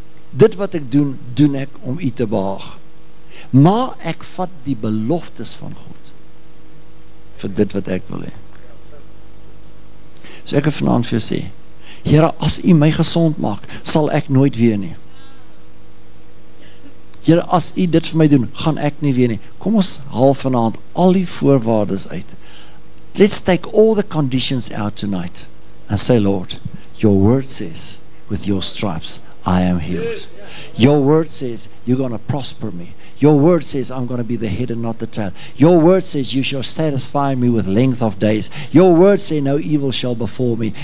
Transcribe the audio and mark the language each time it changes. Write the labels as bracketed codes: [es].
[af] Dit wat ek doen, doen ek om U te behaag. Maar ek vat die beloftes van God vir dit wat ek wil hê. So ek het vanaand vir jou sê, Here, as U my gezond maak, sal ek nooit weer nie. Here, as U dit vir my doen, gaan ek nie weer nie. Kom ons haal vanavond al die voorwaardes uit. [en] Let's take all the conditions out tonight and say, Lord, your word says, with your stripes, I am healed. Your word says, you're going to prosper me. Your word says, I'm going to be the head and not the tail. Your word says, you shall satisfy me with length of days. Your word says, no evil shall befall me.